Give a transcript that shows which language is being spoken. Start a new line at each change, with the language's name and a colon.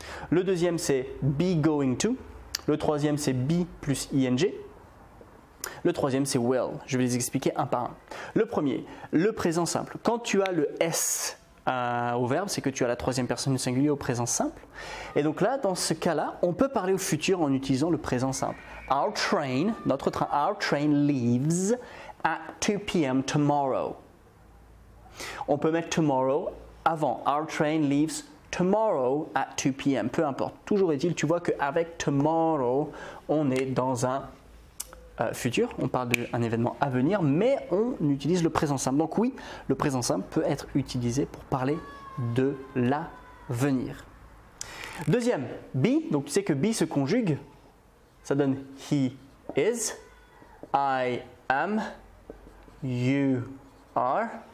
French: Le deuxième, c'est be going to. Le troisième, c'est be plus ing. Le troisième, c'est will. Je vais les expliquer un par un. Le premier, le présent simple. Quand tu as le s au verbe, c'est que tu as la troisième personne du singulier au présent simple. Et donc là, dans ce cas-là, on peut parler au futur en utilisant le présent simple.
English: Our train,
French: notre train,
English: our train leaves at 2 p.m. tomorrow.
French: On peut mettre tomorrow avant.
English: Our train leaves tomorrow at 2 p.m.
French: Peu importe. Toujours est-il, tu vois qu'avec tomorrow, on est dans un futur, on parle d'un événement à venir, mais on utilise le présent simple. Donc oui, le présent simple peut être utilisé pour parler de l'avenir. Deuxième, be, donc tu sais que be se conjugue, ça donne
English: he is, I am, you are.